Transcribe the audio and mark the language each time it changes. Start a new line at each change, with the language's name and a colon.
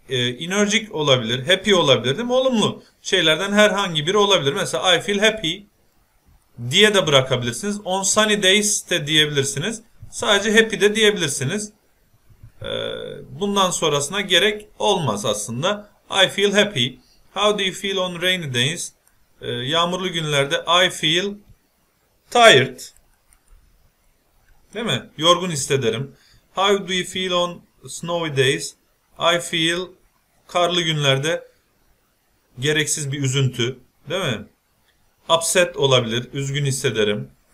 Turkish: Enerjik olabilir, happy olabilir, değil mi? Olumlu şeylerden herhangi biri olabilir. Mesela
English: I feel happy
Turkish: diye de bırakabilirsiniz.
English: On sunny days
Turkish: de diyebilirsiniz. Sadece happy de diyebilirsiniz. Bundan sonrasına gerek olmaz aslında.
English: I feel happy. How do you feel on rainy days?
Turkish: Yağmurlu günlerde
English: I feel tired.
Turkish: Değil mi? Yorgun hissederim.
English: How do you feel on snowy days? I feel
Turkish: karlı günlerde gereksiz bir üzüntü, değil mi? Upset olabilir, üzgün hissederim.